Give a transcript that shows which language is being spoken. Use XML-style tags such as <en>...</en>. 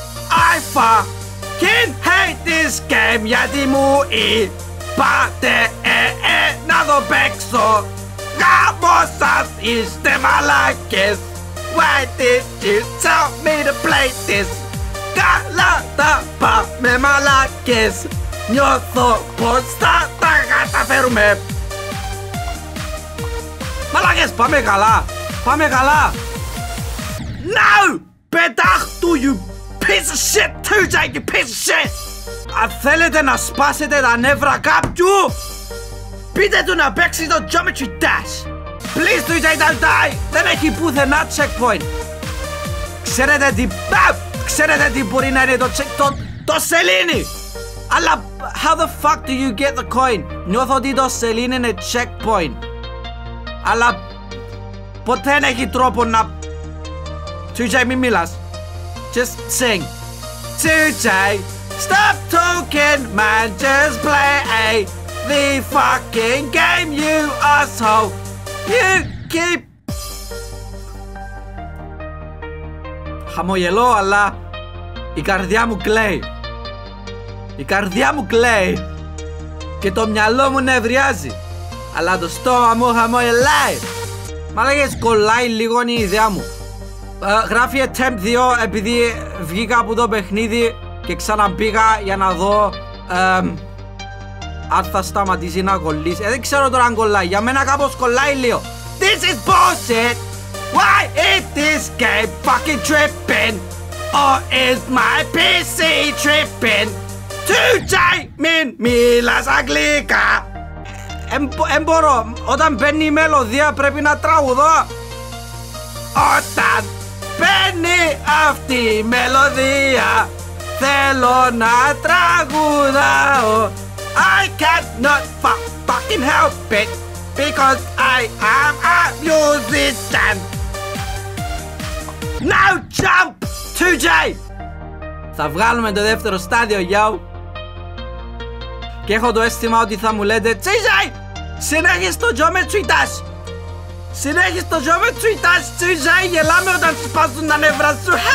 <en>I fucking hate this game,</en> <el>γιατί μου είπατε να το παίξω. Γάμο σας είστε μαλάκες.</el> <en>Why did you tell me to play this?</en> <el>Καλά τα πάμε μαλάκες. Νιώθω πως θα τα καταφέρουμε. Μαλάκες, πάμε καλά. Πάμε καλά.</el> <en>No! Πετάχτου, you piece of shit, 2J, you piece of shit!</en> <el>Αν θέλετε να σπάσετε τα νεύρα κάποιου, πείτε του να παίξει το Geometry Dash!</el> <en>Please, 2J, don't die!</en> <el>Δεν έχει πουθενά checkpoint! Ξέρετε τι... Ξέρετε τι μπορεί να είναι το check... Το σελήνι!</el> <en>Αλλά, how the fuck do you get the coin?</en> <el>Νιώθω ότι το σελήν είναι checkpoint. Αλλά, ποτέ δεν έχει τρόπο να... 2J, μην μιλάς.</el> <en>Just sing. 2J, stop talking, man, just play the fucking game, you asshole. You keep...</en> <el>Χαμογελώ, αλλά η καρδιά μου κλαίει. Η καρδιά μου κλαίει και το μυαλό μου νευριάζει. Αλλά το στόμα μου χαμογελάει. Μα λέγες, κολλάει λίγο η ιδέα μου. Γράφει attempt 2 επειδή βγήκα από το παιχνίδι και ξαναμπήγα για να δω αν θα σταματήσει να κολλήσει. Δεν ξέρω τώρα αν κολλάει. Για μένα κάπως κολλάει λίγο.</el> <en>This is bullshit. Why is this game fucking tripping? Or is my PC tripping? 2J,</en> <el>μην μιλάς αγγλικά. Εμπορώ, όταν μπαίνει η μελωδία πρέπει να τραγουδώ. Όταν μπαίνει αυτή η μελωδία θέλω να τραγουδάω.</el> <en>I cannot fucking help it because I am a musician. Now jump, 2J!</en> <el>Θα βγάλουμε το δεύτερο στάδιο, yo! Και έχω το αίσθημα ότι θα μου λέτε, 2J! Συνέχισε το Geometry Dash! Συνέχισε το Geometry Dash, 2J! Γελάμε όταν σπάζουν τα νεύρα σου!</el>